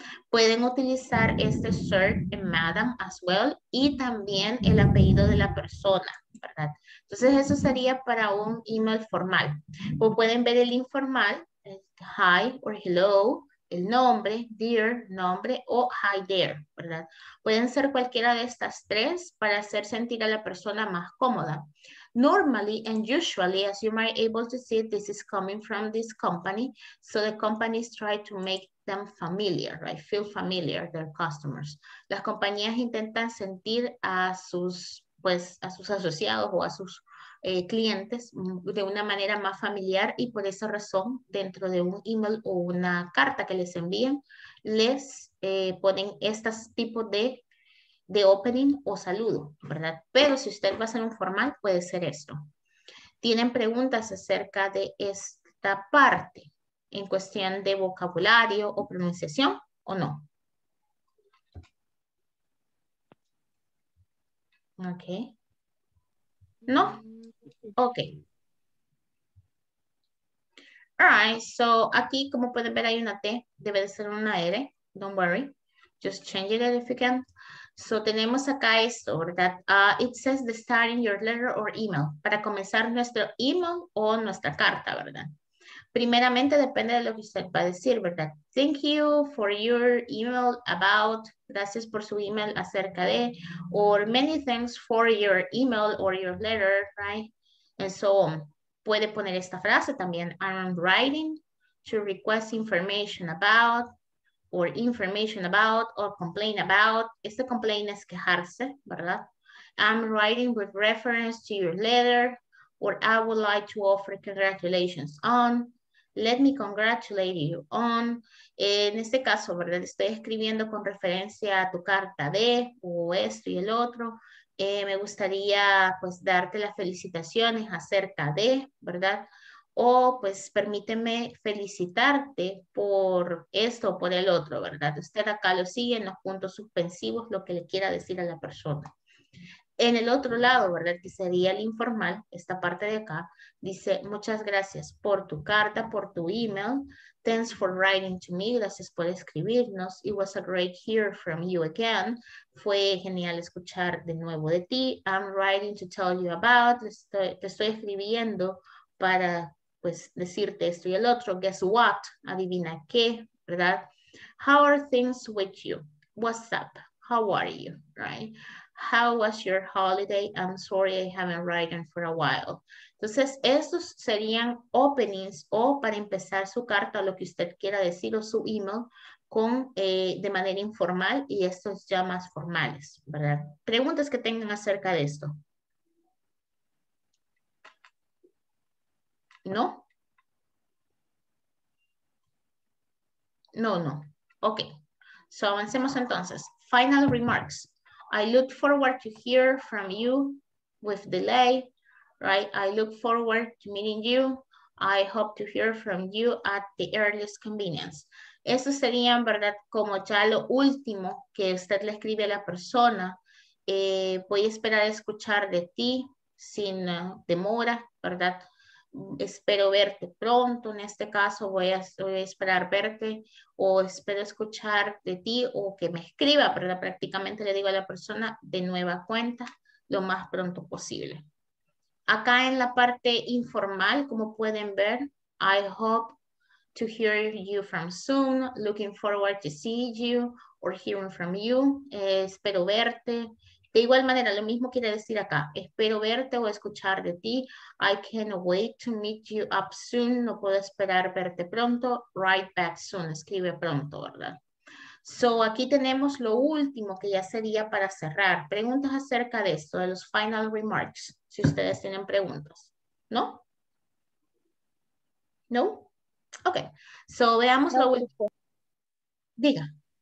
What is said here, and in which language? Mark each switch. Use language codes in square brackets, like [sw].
[es] Pueden utilizar este [en] sir and madam as well, [es] y también el apellido de la persona, ¿verdad? Entonces eso sería para un email formal. O pueden ver el informal, hi or hello, el nombre, dear, nombre, o hi there, ¿verdad? Pueden ser cualquiera de estas tres para hacer sentir a la persona más cómoda. [en] Normally and usually, as you might be able to see, this is coming from this company. So the companies try to make them familiar, right? Feel familiar, their customers. [es] Las compañías intentan sentir a sus, pues, a sus asociados o a sus clientes de una manera más familiar, y por esa razón, dentro de un email o una carta que les envíen, les ponen estos tipos de opening o saludo, ¿verdad? Pero si usted va a hacer un formal, puede ser esto. Tienen preguntas acerca de esta parte en cuestión de vocabulario o pronunciación, ¿o no? Ok. ¿No? Ok. [en] Alright, [es] so aquí, como pueden ver, hay una T, debe de ser una R, [en] don't worry. Just change it if you can. So [es] tenemos acá esto, ¿verdad? [en] It says the start in your letter or email. [es] Para comenzar nuestro email o nuestra carta, ¿verdad? Primeramente depende de lo que usted va a decir, ¿verdad? [en] Thank you for your email about, [es] gracias por su email acerca de, [en] or many thanks for your email or your letter, right? And so on. [es] Puede poner esta frase también, [en] I'm writing to request information about, or information about, or complain about. [es] Este complain es quejarse, ¿verdad? [en] I'm writing with reference to your letter, or I would like to offer congratulations on, let me congratulate you on. [es] En este caso, ¿verdad? Estoy escribiendo con referencia a tu carta de, o esto y el otro. Me gustaría, pues, darte las felicitaciones acerca de, ¿verdad? O, pues, permíteme felicitarte por esto o por el otro, ¿verdad? Usted acá lo sigue en los puntos suspensivos, lo que le quiera decir a la persona. En el otro lado, ¿verdad? Que sería el informal, esta parte de acá, dice, muchas gracias por tu carta, por tu email. [en] Thanks for writing to me. [es] Gracias por escribirnos. [en] It was a great hear from you again. [es] Fue genial escuchar de nuevo de ti. [en] I'm writing to tell you about. [es] Te estoy escribiendo para, pues, decirte esto y el otro. [en] Guess what? [es] Adivina qué, ¿verdad? [en] How are things with you? What's up? How are you? Right? How was your holiday? I'm sorry I haven't written for a while. [es] Entonces, estos serían openings o para empezar su carta, lo que usted quiera decir, o su email, con, de manera informal, y estos ya más formales, ¿verdad? ¿Preguntas que tengan acerca de esto? ¿No? No, no. Ok. So, avancemos entonces. Final remarks. [en] I look forward to hear from you with delay, right? I look forward to meeting you. I hope to hear from you at the earliest convenience. [es] Eso sería, ¿verdad? Como ya lo último que usted le escribe a la persona. Voy a esperar a escuchar de ti sin demora, ¿verdad? Espero verte pronto. En este caso, voy a esperar verte, o espero escuchar de ti, o que me escriba, pero prácticamente le digo a la persona de nueva cuenta lo más pronto posible. Acá en la parte informal, como pueden ver, [en] I hope to hear you from soon, looking forward to see you or hearing from you, [es] espero verte. De igual manera, lo mismo quiere decir acá, espero verte o escuchar de ti. [en] I can't wait to meet you up soon. [es] No puedo esperar verte pronto. [en] Write back soon. [es] Escribe pronto, ¿verdad? So, aquí tenemos lo último, que ya sería para cerrar. Preguntas acerca de esto, de los final remarks, si ustedes tienen preguntas. ¿No? ¿No? Ok. So, veamos lo último. Diga.